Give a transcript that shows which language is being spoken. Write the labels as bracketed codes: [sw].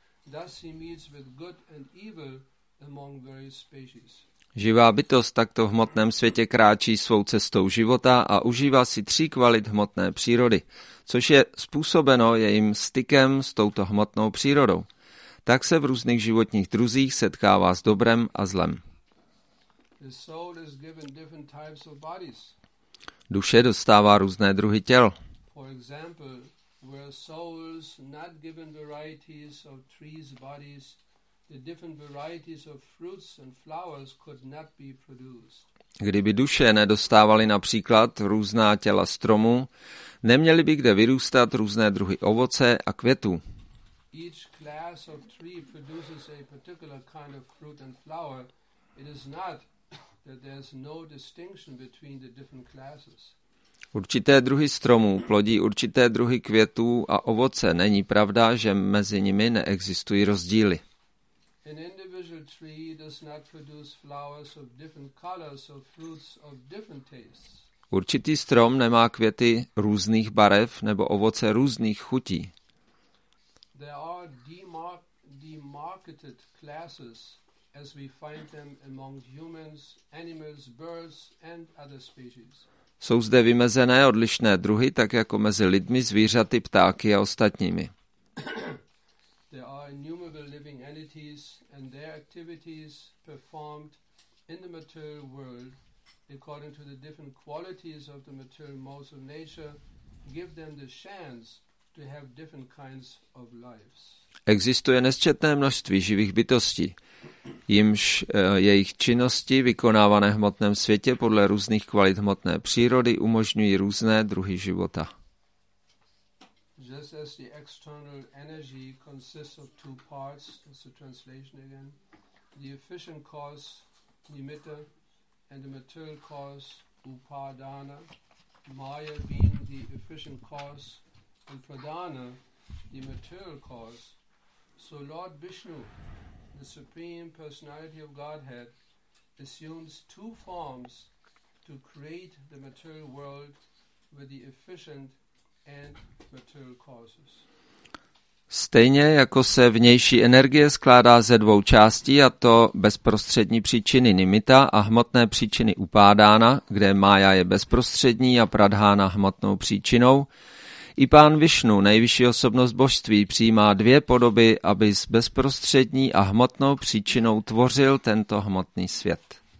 [en] Thus he meets with good and evil among various species. [cs] Živá bytost takto v hmotném světě kráčí svou cestou života a užívá si tří kvalit hmotné přírody, což je způsobeno jejím stykem s touto hmotnou přírodou. Tak se v různých životních druzích setkává s dobrem a zlem. [en] The soul is given different types of bodies. [cs] Duše dostává různé druhy těl. [en] For example, where souls not given varieties of trees bodies, the different varieties of fruits and flowers could not be produced. [cs] Kdyby duše nedostávaly například různá těla stromů, neměly by kde vyrůstat různé druhy ovoce a květů. [en] each class of tree produces a particular kind of fruit and flower, it is not that there's no distinction between the different classes. [cs] Určité druhy stromů plodí určité druhy květů a ovoce. Není pravda, že mezi nimi neexistují rozdíly. [en] An individual tree does not produce flowers of different colors or fruits of different tastes. [cs] Určitý strom nemá květy různých barev nebo ovoce různých chutí. [en] There are demarcated classes as we find them among humans, animals, birds and other species. [cs] Jsou zde vymezené odlišné druhy, tak jako mezi lidmi, zvířaty, ptáky a ostatními. [en] There are innumerable living entities and their activities performed in the material world according to the different qualities of the material modes of nature give them the chance to have different kinds of lives. [cs] Existuje nesčetné množství živých bytostí, jimž jejich činnosti vykonávané v hmotném světě podle různých kvalit hmotné přírody umožňují různé druhy života. [en] Just as the external energy consists of two parts, that's the translation again, the efficient cause, the emitter, and the material cause, upadana, maya being the efficient cause, and pradana, the material cause, so Lord Vishnu, the Supreme Personality of Godhead, assumes two forms to create the material world with the efficient and material causes. [cs] Stejně jako se vnější energie skládá ze dvou částí, a to bezprostřední příčiny nimita a hmotné příčiny upádána, kde mája je bezprostřední a pradhána hmotnou příčinou, i pán Vishnu, nejvyšší osobnost božství, přijímá dvě podoby, aby s bezprostřední a hmotnou příčinou tvořil tento hmotný svět.